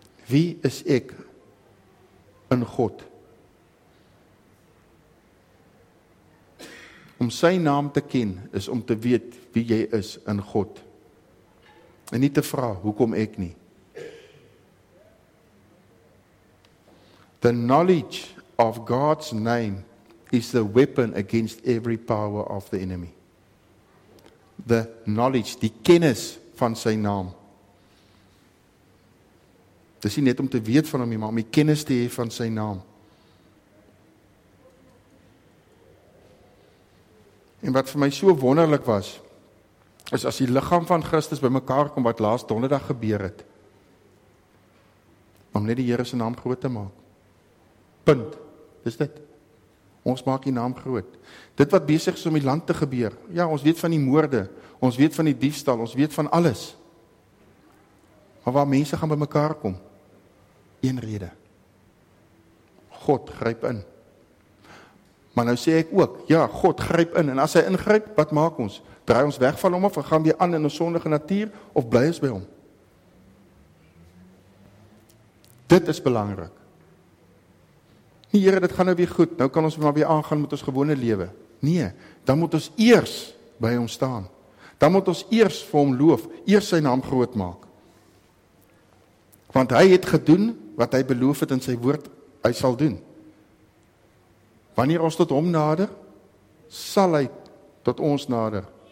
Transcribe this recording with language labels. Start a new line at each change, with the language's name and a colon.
Afrikaans: Wie is ek in God? Om sy naam te ken, is om te weet wie jy is in God. En nie te vra, hoekom ek nie.
English: The knowledge of God's name is the weapon against every power of the enemy. The knowledge,
Afrikaans: die kennis van sy naam. Dis nie net om te weet van hom, maar om die kennis te hê van sy naam. En wat vir my so wonderlik was, is as die liggaam van Christus bymekaar kom wat laas donderdag gebeur het, om net die Here se naam groot te maak. Punt, is dit. Ons maak die naam groot. Dit wat besig is om die land te gebeur. Ja, ons weet van die moorde, ons weet van die diefstal, ons weet van alles. Maar waar mense gaan by mekaar kom? Een rede. God gryp in. Maar nou sê ek ook, ja, God gryp in. En as hy ingryp, wat maak ons? Draai ons weg van hom of gaan weer aan in ons sondige natuur of bly ons by hom? Dit is belangrik. Nee, Here, dit gaan nou weer goed. Nou kan ons maar weer aangaan met ons gewone lewe. Nee, dan moet ons eers by hom staan. Dan moet ons eers vir hom loof, eers sy naam groot maak. Want hy het gedoen wat hy beloof het in sy woord, hy sal doen. Wanneer ons tot hom nader, sal hy tot ons nader.